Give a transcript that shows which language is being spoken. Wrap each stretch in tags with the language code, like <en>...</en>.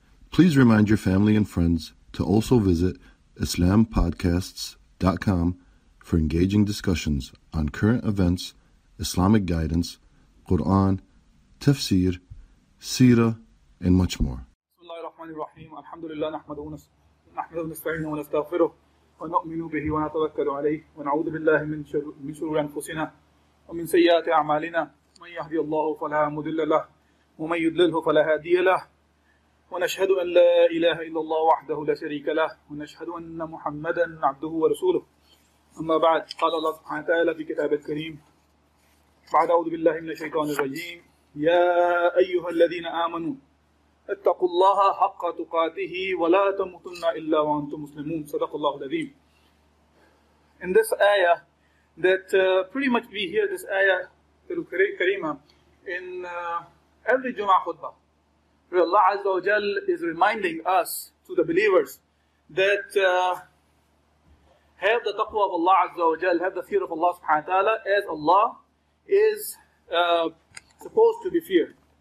<en>Please remind your family and friends to also visit IslamPodcasts.com for engaging discussions on current events, Islamic guidance, Quran, tafsir, seerah, and much more.</en> <ar>نحمده ونستعينه ونستغفره ونؤمن به ونتوكل عليه ونعوذ بالله من شرور أنفسنا ومن سيئات أعمالنا من يهدي الله فلا مضل له ومن يضلله فلا هادي له ونشهد أن لا إله إلا الله وحده لا شريك له ونشهد أن محمدا عبده ورسوله أما بعد قال الله سبحانه وتعالى في كتابه الكريم بعد أعوذ بالله من الشيطان الرجيم يا أيها الذين آمنوا اتقوا الله حق تقاته ولا تموتن الا وانتم مسلمون صدق الله العظيم.</ar> <en>In this ayah, that pretty much we hear this ayah Kareema in every Jum'ah khutbah, where Allah Azza wa Jal is reminding us to the believers that have the taqwa of Allah Azza wa Jal, have the fear of Allah Subhanahu wa Ta'ala as Allah is supposed to be feared.</en>